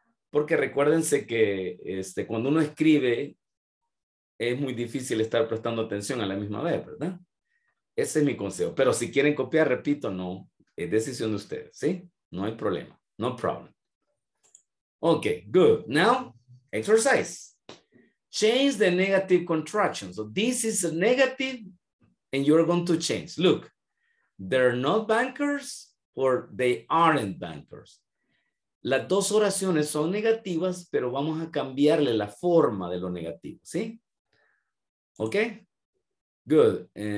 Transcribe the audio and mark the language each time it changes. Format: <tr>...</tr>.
<es>Porque recuérdense que cuando uno escribe es muy difícil estar prestando atención a la misma vez, ¿verdad? Ese es mi consejo. Pero si quieren copiar, repito, no, es decisión de ustedes, ¿sí? No hay problema.</es> <en>No problem. Okay, good. Now, Exercise. Change the negative contraction. So this is a negative and you're going to change. Look, they're not bankers or they aren't bankers.</en> <es>Las dos oraciones son negativas, pero vamos a cambiarle la forma de lo negativo, ¿sí? ¿Ok? Good.</es>